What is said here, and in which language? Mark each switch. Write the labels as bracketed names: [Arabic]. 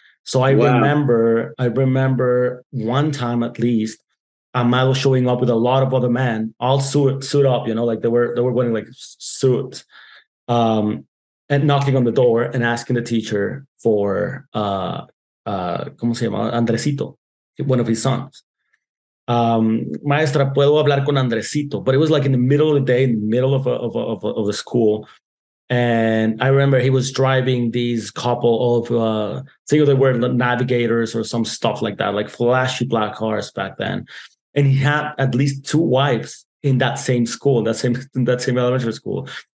[English] So I remember one time at least, Amado showing up with a lot of other men, all suit up, you know, like they were wearing like suits, and knocking on the door and asking the teacher for, [Spanish] ¿cómo se llama? [English] Andresito, one of his sons. [Spanish] Maestra, puedo hablar con Andresito? [English] But it was like in the middle of the day, in the middle of a school. And I remember he was driving these couple of, think of the word navigators or some stuff like that, like flashy black cars back then. And he had at least two wives in that same school, that same elementary school.